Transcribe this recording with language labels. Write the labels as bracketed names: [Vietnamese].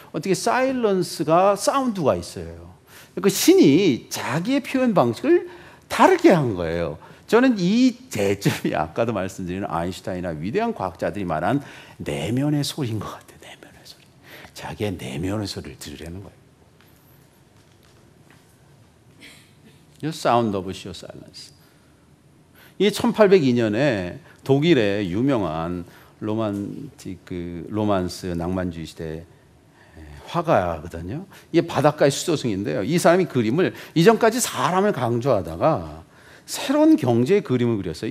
[Korean] 어떻게 사일런스가 사운드가 있어요. 그 신이 자기의 표현 방식을 다르게 한 거예요. 저는 이 대점이 아까도 말씀드린 아인슈타인이나 위대한 과학자들이 말한 내면의 소리인 것 같아요. 내면의 소리. 자기의 내면의 소리를 들으려는 거예요. [English] The sound of sheer silence. [Korean] 이게 1802년에 독일의 유명한 로만스 낭만주의 시대 화가거든요. 이게 바닷가의 수도승인데요. 이 사람이 그림을 이전까지 사람을 강조하다가 새로운 경제의 그림을 그렸어요.